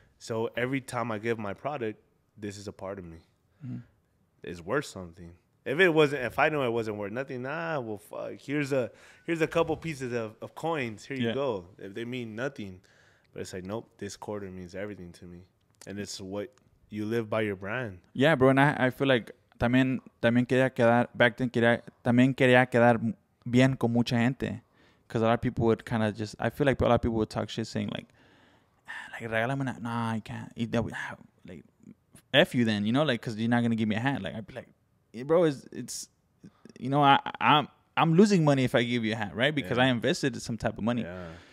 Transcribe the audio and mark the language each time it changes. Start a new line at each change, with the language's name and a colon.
English: So every time I give my product, this is a part of me. Mm-hmm. It's worth something. If I knew it wasn't worth nothing, well, fuck. Here's a couple pieces of coins. Here you go. If they mean nothing, but it's like, nope, this quarter means everything to me, and it's what you live by your brand. Yeah, bro, and I feel like
Spanish: también quería quedar
English: back then.
Spanish: También quería quedar bien con mucha gente,
English: because a lot of people would kind of just. I feel like a lot of people would talk shit, saying like
Spanish: regálame una,
English: nah, I can't. Like, f you then, you know, like, because you're not gonna give me a hat. Like, I'd be like. Bro, it's you know, I'm losing money if I give you a hat, right? Because I invested some type of money. Yeah.